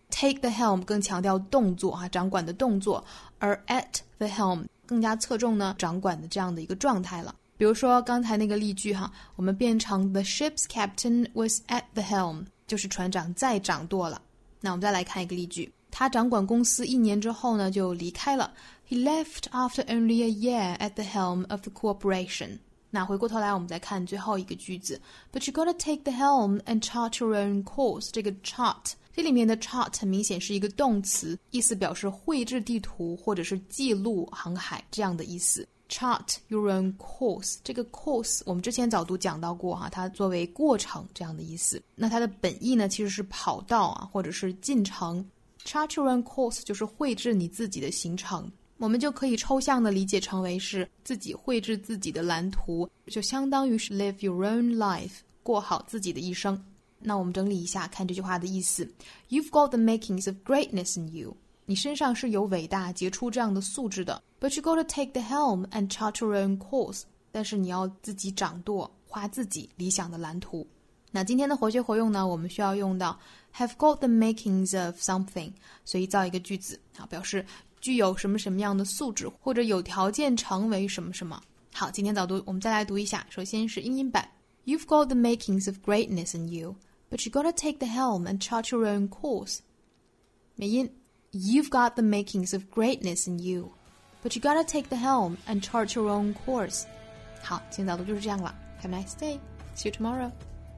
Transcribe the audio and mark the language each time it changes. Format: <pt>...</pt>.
<zh>take the helm 更强调动作掌管的动作，而 at the helm 更加侧重呢掌管的这样的一个状态了。比如说刚才那个例句我们变成</zh> <en>the ship's captain was at the helm，</en> <zh>就是船长在掌舵了。那我们再来看一个例句，他掌管公司一年之后呢就离开了。</zh> <en>He left after only a year at the helm of the corporation.</en> <zh>那回过头来我们再看最后一个句子。</zh> <en>But you gotta take the helm and chart your own course.</en> <zh>这个 chart, 这里面的 chart 很明显是一个动词，意思表示绘制地图或者是记录航海这样的意思。</zh> <en>Chart your own course.</en> <zh>这个 course 我们之前早读讲到过，它作为过程这样的意思。那它的本意呢其实是跑道啊，或者是进程。</zh> <en>Chart your own course</en> <zh>就是绘制你自己的行程，我们就可以抽象的理解成为是自己绘制自己的蓝图，就相当于是</zh> <en>live your own life,</en> <zh>过好自己的一生。那我们整理一下看这句话的意思。</zh> <en>You've got the makings of greatness in you.</en> <zh>你身上是有伟大杰出这样的素质的。</zh> <en>But you gotta take the helm and chart your own course.</en> <zh>但是你要自己掌舵，画自己理想的蓝图。那今天的活学活用呢，我们需要用到</zh> <en>have got the makings of something,</en> <zh>所以造一个句子啊，表示具有什么什么样的素质，或者有条件成为什么什么。好，今天早读我们再来读一下，首先是英音版。</zh> <en>You've got the makings of greatness in you, but you gotta take the helm and chart your own course.</en> <zh>美音。</zh> <en>You've got the makings of greatness in you, but you gotta take the helm and chart your own course.</en> <zh>好，今天早读就是这样了。</zh> <en>Have a nice day. See you tomorrow.</en>